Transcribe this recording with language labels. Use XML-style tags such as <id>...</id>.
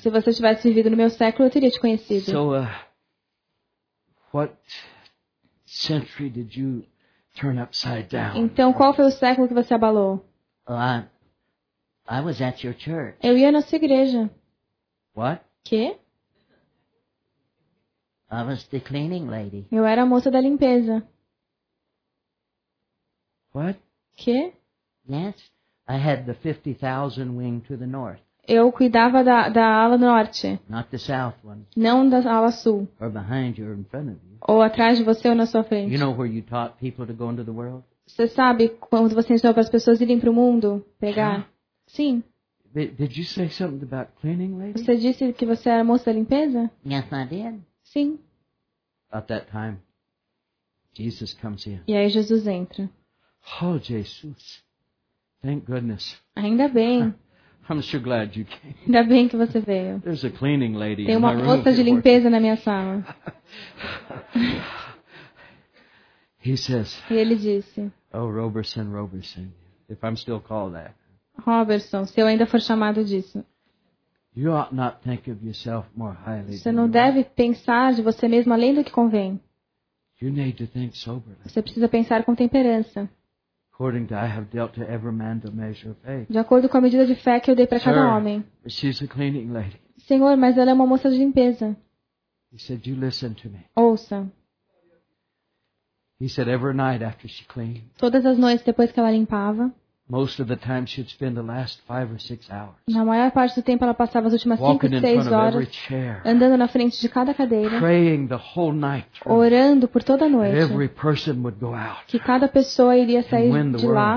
<pt>Se você tivesse vivido no meu século, eu teria te conhecido.</pt> <en>So, what century did you turn upside down?</en> <pt>Então, qual foi o século que você abalou?</pt> <en>I was at your church.</en> <pt>Eu ia na sua igreja.</pt> <en>What?</en> <pt>Que?</pt> <en>I was the cleaning lady.</en> <pt>Eu era a moça da limpeza.</pt> <en>What?</en> <pt>Que?</pt> <en>Yes, I had the 50,000 wing to the north.</en> <pt>Eu cuidava da ala norte.</pt> <en>Not the south one.</en> <pt>Não da ala sul.</pt> <en>Or behind you or in front of you.</en> <pt>Ou atrás de você ou na sua frente.</pt> <en>You know where you taught people to go into the world?</en> <pt>Você sabe quando você ensinou para as pessoas irem para o mundo pegar? Sim.</pt> <en>Did you say something about cleaning lady?</en> <pt>Você disse que você era moça da limpeza?</pt> <en>Yes, I did.</en> <pt>Sim.</pt> <en>At that time, Jesus comes in.</en> <pt>E aí Jesus entra.</pt> <en>Oh, Jesus. Thank goodness.</en> <pt>Ainda bem.</pt> <en>I'm so glad you came.</en> <pt>Ainda bem que você veio.</pt> <en>There's a cleaning lady.</en> <pt>Tem uma moça de limpeza na minha sala.</pt> <en>He says,</en> <pt>e ele disse.</pt> <en>Oh, Roberson, Roberson. If I'm still called that.</en> <pt>Robertson, se eu ainda for chamado disso.</pt> <en>You ought not think of yourself more highly.</en> <pt>Você não deve pensar de você mesmo além do que convém.</pt> <en>You need to think soberly.</en> <pt>Você precisa pensar com temperança.</pt> <en>According to I have dealt to every man the measure of faith.</en> <pt>De acordo com a medida de fé que eu dei para cada homem.</pt> <en>She's a cleaning lady.</en> <pt>Senhor, mas ela é uma moça de limpeza.</pt> <en>He said, you listen to me.</en> <pt>Ouça.</pt> <en>He said, every night after she cleaned.</en> <pt>Todas as noites depois que ela limpava.</pt> <en>Most of the time she'd spend the last 5 or 6 hours.</en> <pt>Na maior parte do tempo ela passava as últimas 5 ou 6 horas andando na frente de cada cadeira,</pt> <en>praying the whole night,</en> <pt>orando por toda a noite,</pt> <en>every person would go out,</en> <pt>que cada pessoa iria sair de lá</pt>